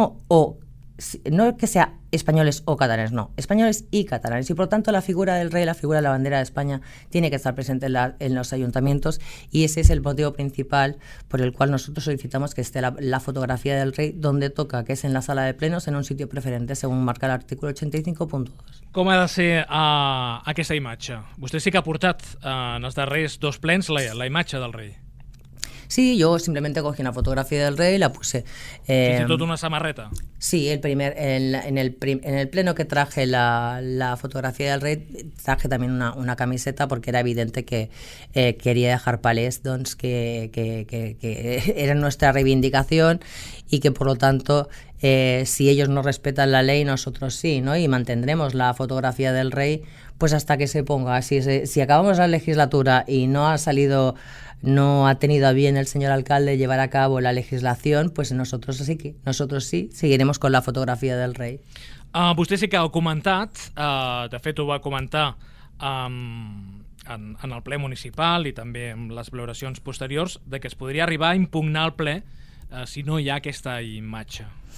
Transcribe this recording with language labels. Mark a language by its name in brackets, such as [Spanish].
[Spanish] No que sea españoles o catalanes, no, españoles y catalanes. Y por lo tanto la figura del rey, la figura de la bandera de España tiene que estar presente en los ayuntamientos, y ese es el motivo principal por el cual nosotros solicitamos que esté la fotografía del rey donde toca, que es en la sala de plenos, en un sitio preferente, según marca el artículo 85.2. [Catalan] Com ha de ser aquesta imatge? Vostè sí que ha portat en els darrers dos plens la imatge del rei. [Spanish] Sí, yo simplemente cogí una fotografía del rey y la puse. ¿Hiciste toda una samarreta? Sí, en el pleno que traje la fotografía del rey, traje también una camiseta, porque era evidente que quería dejar palés, que era nuestra reivindicación, y que por lo tanto si ellos no respetan la ley, nosotros sí, ¿no? Y mantendremos la fotografía del rey pues hasta que se ponga. Si acabamos la legislatura y no ha salido, no ha tenido a bien el señor alcalde llevar a cabo la legislación, pues nosotros sí seguiremos con la fotografía del rey. [Catalan] Vostè sí que ha comentat, de fet ho va comentar en el ple municipal i també en les valoracions posteriors, de que es podria arribar a impugnar el ple si no hi ha aquesta imatge.